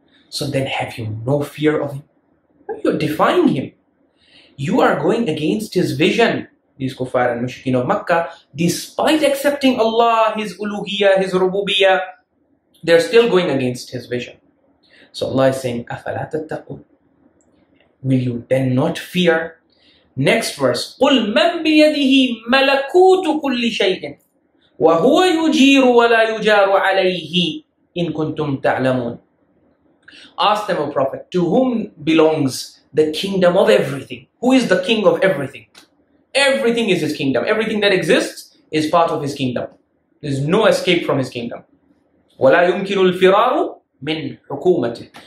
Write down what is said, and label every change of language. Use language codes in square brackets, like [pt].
[en] So then have you no fear of Him? You're defying Him. You are going against His vision, these kuffar and mushrikeen of Makkah, despite accepting Allah, His uluhiyah, His rububiyah, they're still going against His vision. So Allah is saying, [ar] أَفَلَا تَتَّقُونَ. [en] Will you then not fear? Next verse, [ar] قُلْ مَنْ بِيَدِهِ مَلَكُوتُ كُلِّ شَيْءٍ وَهُوَ يُجِيرُ وَلَا يُجَارُ عَلَيْهِ إِن كُنْتُمْ تَعْلَمُونَ. [en] Ask them, O Prophet, to whom belongs the kingdom of everything? Who is the king of everything? Everything is His kingdom. Everything that exists is part of His kingdom. There's no escape from His kingdom. [ar] وَلَا يُمْكِنُ الْفِرَارُ مِنْ حُكُومَتِهِ.